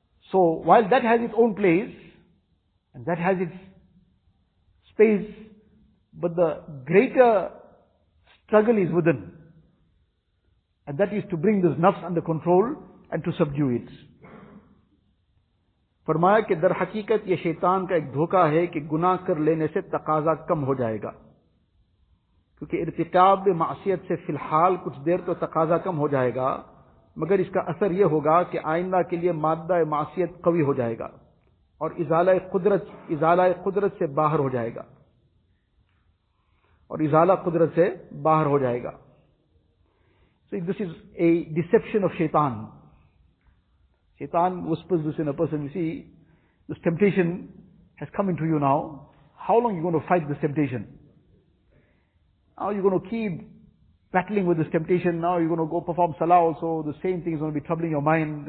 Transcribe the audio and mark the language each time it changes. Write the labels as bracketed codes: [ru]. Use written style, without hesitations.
[en] So, while that has its own place, and that has its space, but the greater struggle is within. And that is to bring this nafs under control and to subdue it. [ur] فرمایا کہ در حقیقت یہ شیطان کا ایک دھوکہ ہے کہ گناہ کر لینے سے تقاضا کم ہو جائے گا کیونکہ ارتکاب معصیت سے فی الحال کچھ دیر تو تقاضا کم ہو جائے گا مگر اس کا اثر یہ ہوگا کہ آئندہ کے لیے مادہ معصیت قوی ہو جائے گا اور ازالہ قدرت سے باہر ہو جائے گا اور ازالہ قدرت سے باہر ہو جائے گا [en] See, this is a deception of shaitan. Shaitan whispers this in a person, you see, this temptation has come into you now. How long are you going to fight this temptation? Now you're going to keep battling with this temptation. Now you're going to go perform salah also. The same thing is going to be troubling your mind.